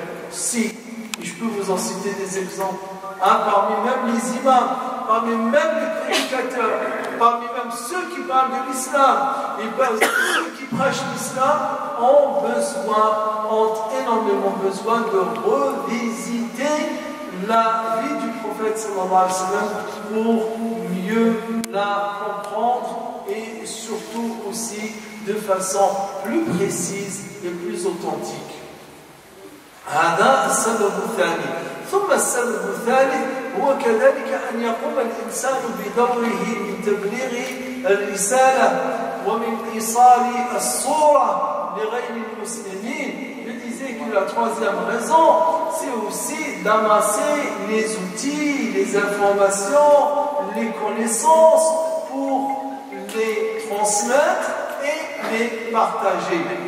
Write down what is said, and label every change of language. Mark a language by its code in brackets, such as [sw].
[fr] Si, je peux vous en citer des exemples, hein, parmi même les imams, parmi même les prédicateurs, parmi même ceux qui parlent de l'islam, et parmi ceux qui prêchent l'islam, ont énormément besoin de revisiter la vie du prophète sallallahu alayhi wa sallam pour mieux la comprendre et surtout aussi de façon plus précise et plus authentique. [ar] هذا السبب الثاني. ثم السبب الثالث هو كذلك أن يقوم الإنسان بدوره من تبليغ الرسالة ومن إيصال الصورة لغير المسلمين. [fr] La troisième raison, c'est aussi d'amasser les outils, les informations, les connaissances pour les transmettre et les partager.